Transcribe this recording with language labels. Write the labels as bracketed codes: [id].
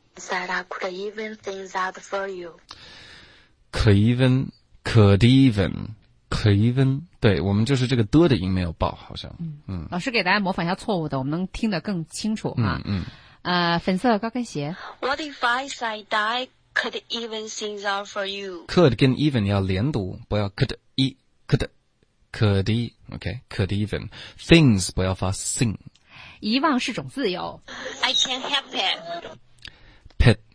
[en] Said I could even things out for you. Could even, could even, could even. [zh] 对，我们就是这个的的音没有爆，好像。嗯。老师给大家模仿一下错误的，我们能听得更清楚啊。嗯。嗯粉色高跟鞋。 [en] What if I said I could even things out for you? Could 跟 even [zh] 要连读，不要 [en] could, e, could, could, OK, could even. [zh] Things 不要发 sing. 遗忘是种自由。 [en] I can't help it.